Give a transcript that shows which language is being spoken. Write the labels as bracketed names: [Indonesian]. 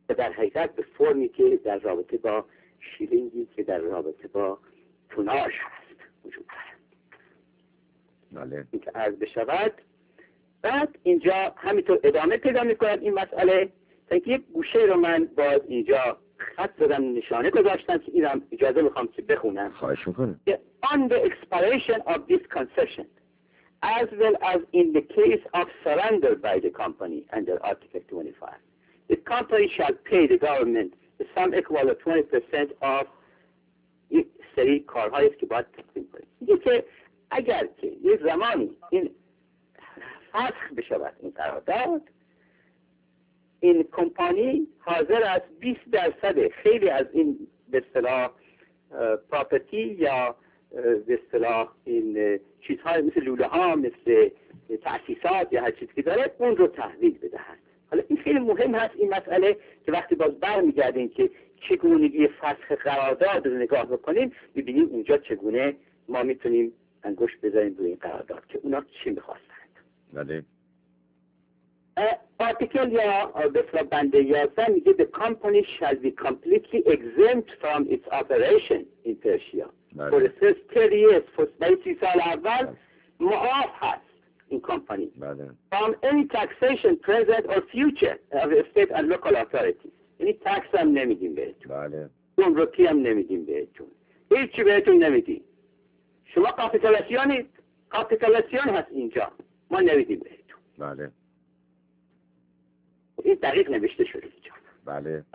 [Persian] در حقیقت به فرمی که در رابطه با شیلینگی که در رابطه با توناش هست وجود دارد، بله، این که عرض بشود. بعد اینجا همینطور ادامه پیدا می کنم این مسئله، تا اینکه یک گوشه رو من باز اینجا خط زدم، نشانه گذاشتم که اینم اجازه میخوام که بخونم. خواهش میکنم. [English] On the expiration of this concession, as well as in the case of surrender by the company under Article 25, the company shall pay the government the sum equal to 20% of [Persian] یک سری کارهایی که باید تقدیم کنید. میگه که اگر که یک زمانی این فسخ بشود این قرارداد، این کمپانی حاضر از 20% خیلی از این به اصطلاح پراپرتی یا به اصطلاح این چیزهای مثل لوله ها، مثل تأسیسات یا هر چیزی که داره اون رو تحویل بدهد. حالا این خیلی مهم هست این مسئله که وقتی باز برمیگردیم که چگونگی فسخ قرارداد رو نگاه بکنیم، ببینیم اونجا چگونه ما میتونیم انگشت بذاریم روی این قرارداد که اونا چی میخواستند. بله. [English] Article [Persian] یا بسرا بنده 11 میگه [English] the company shall be completely exempt from its operation in Persia. For the first 30 years, [Persian] برای 30 سال اول معاف هست این کمپانی. بله. [English] From any taxation present or future of the state and local authorities. [Persian] یعنی تکس هم نمیدیم بهتون. بله. گمرکی هم نمیدیم بهتون. هیچی بهتون نمیدیم. شما کاپیتالیسیونید. کاپیتالیسیون هست اینجا. ما نمیدیم بهتون. بله. این دقیق نوشته شده اینجا. بله.